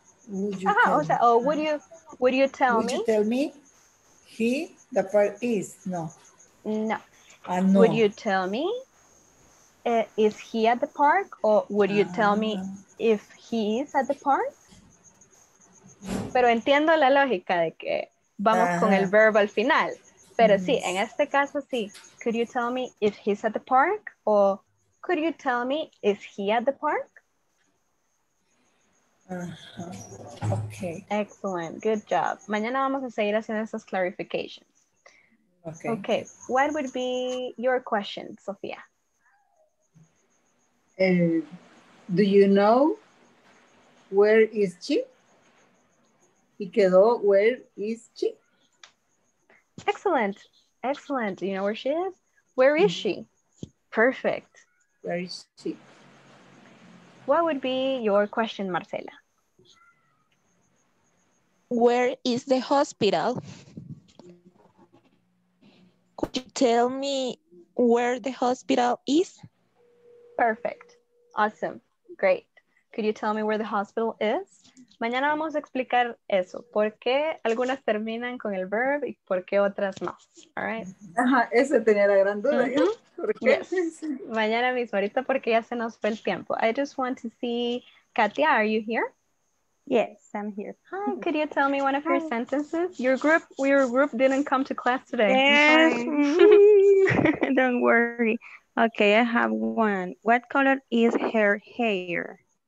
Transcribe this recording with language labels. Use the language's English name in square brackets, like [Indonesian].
[English] Would you tell me? He, the part is, no. No. No. Would you tell me? Is he at the park, or would you tell me if he is at the park? [Spanish] Pero entiendo la lógica de que vamos con el verbo al final. Pero sí, en este caso sí. [English] Could you tell me if he's at the park, or could you tell me is he at the park? Okay. Excellent. Good job. [Spanish] Mañana vamos a seguir haciendo esas clarifications. [English] Okay. Okay. What would be your question, Sofía? Do you know where is she? [Spanish] Y quedó, [English] where is she? Excellent. Excellent. Do you know where she is? Where is she? Perfect. Where is she? What would be your question, Marcela? Where is the hospital? Could you tell me where the hospital is? Perfect. Awesome. Great. Could you tell me where the hospital is? [Spanish] Mañana vamos a explicar eso. ¿Por qué algunas terminan con el verb y por qué otras no? [English] All right. [Spanish] Ajá, eso tenía la gran duda. Mm-hmm. ¿Por qué? [English] Yes. [Spanish] Mañana mismo, ahorita porque ya se nos fue el tiempo. [English] I just want to see, Katia, are you here? Yes, I'm here. Hi, could you tell me one of your sentences? Your group didn't come to class today. Yes. Don't worry. Okay, I have one. What color is her hair?